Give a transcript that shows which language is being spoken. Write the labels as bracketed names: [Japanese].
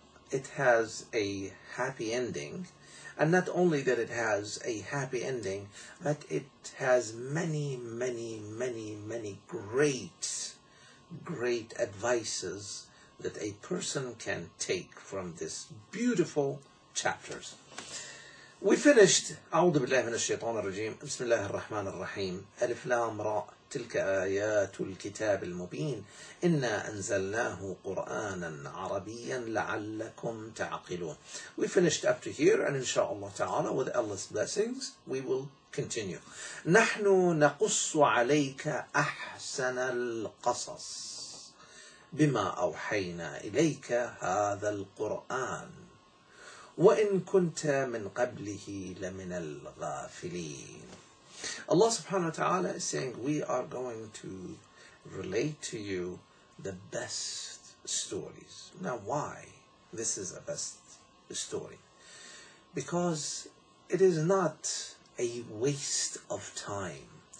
[English] It has a happy ending. And not only that it has a happy ending, but it has many, many, many, many great, great advices that a person can take from this beautiful chapters. We finished, [Arabic] أعوذ بالله من الشيطان الرجيم، بسم الله الرحمن الرحيم، ألف لام راء، تلك آيات الكتاب المبين، إنا أنزلناه قرآنا عربيا لعلكم تعقلون. [English] We finished up to here, and inshallah ta'ala, with Allah's blessings, we will continue. [Arabic] نحن نقص عليك أحسن القصص بما أوحينا إليك هذا القرآن وَإِن كُنْتَ مِن قَبْلِهِ لَمِنَ الْغَافِلِينَ. [English] Allah subhanahu wa ta'ala is saying, we are going to relate to you the best stories. Now why this is a best story? Because it is not a waste of time.